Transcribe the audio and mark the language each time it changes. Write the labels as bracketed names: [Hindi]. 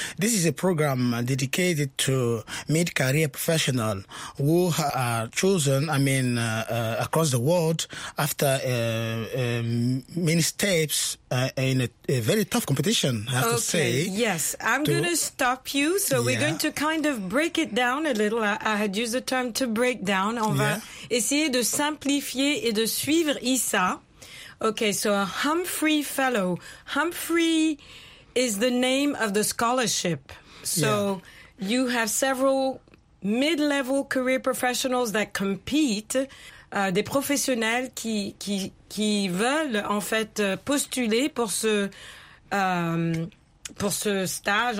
[English] This is a program dedicated to mid-career professionals who are chosen, across the world after many steps in a very tough competition, I have to say. Yes, I'm going to stop you. So yeah. We're going to kind of break it down a little. I had used the term to break down. [French] On va essayer de simplifier et de suivre Issa. [English] Okay, so a Humphrey Fellow. Humphrey is the name of the scholarship. So you have several mid-level career professionals that compete. [French] Des professionnels qui veulent en fait postuler pour ce stage.